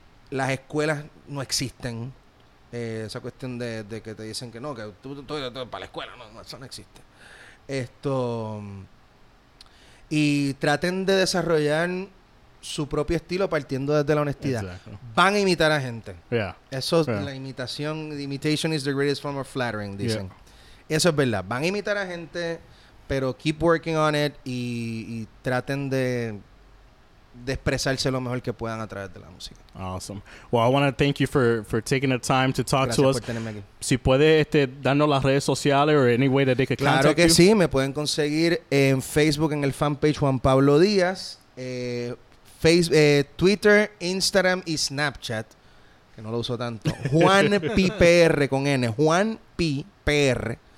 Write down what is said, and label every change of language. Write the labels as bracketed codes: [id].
[es] Las escuelas no existen. Esa cuestión de que te dicen que no, que tú para la escuela, no, eso no existe. Esto. Y traten de desarrollar su propio estilo partiendo desde la honestidad. Exacto. Van a imitar a gente. [en] Yeah. [es] Eso es, [en] yeah, [es] la imitación. [en] The imitation is the greatest form of flattering, dicen. Yeah. [es] Eso es verdad. Van a imitar a gente, pero [en] keep working on it [es] y traten de expresarse lo mejor que puedan a través de la música. [en] Awesome. Well, I want to thank you for taking the time to talk. [es] Gracias [en] to us. [es] Gracias por tenerme aquí. Si puede darnos las redes sociales [en] or any way that they can, [es] claro, [en] contact [es] que [en] you. [es] Sí, me pueden conseguir en Facebook en el fanpage Juan Pablo Díaz, Twitter, Instagram y Snapchat, que no lo uso tanto. Juan PPR con N, Juan PPR.